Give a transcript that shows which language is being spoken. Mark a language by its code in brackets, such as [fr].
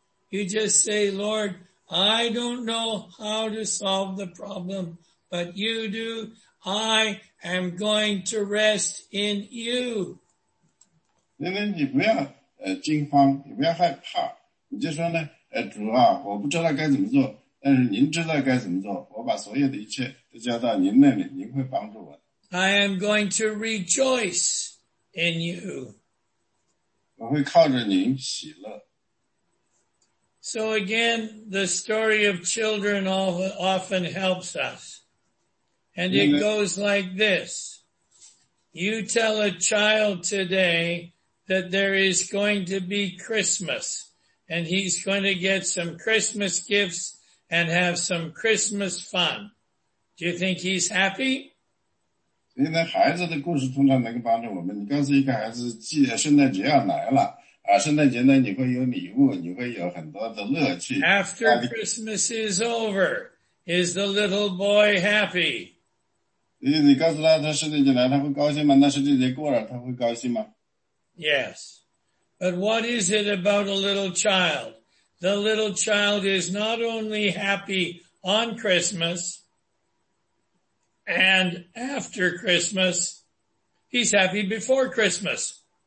[en] You just say, "Lord, I don't know how to solve the problem, but you do. I am going to rest in you." [zh] 因为你不要惊慌，你不要害怕，你就说呢，主啊，我不知道该怎么做，但是您知道该怎么做，我把所有的一切都交到您那里，您会帮助我。 [en] I am going to rejoice in you. [zh] 我会靠着您喜乐。 [en] So again, the story of children often helps us. And it goes like this. You tell a child today, that there is going to be Christmas, and he's going to get some Christmas gifts and have some Christmas fun. Do you think he's happy? [zh] 现在孩子的故事通常能够帮助我们，你告诉一个孩子，既然圣诞节要来了，啊，圣诞节呢，你会有礼物，你会有很多的乐趣。 [en] After Christmas is over, is the little boy happy? [zh] 你告诉他，他圣诞节来，他会高兴吗？那圣诞节过了，他会高兴吗？ [en] Yes. But what is it about a little child? The little child is not only happy on Christmas and after Christmas, he's happy before Christmas.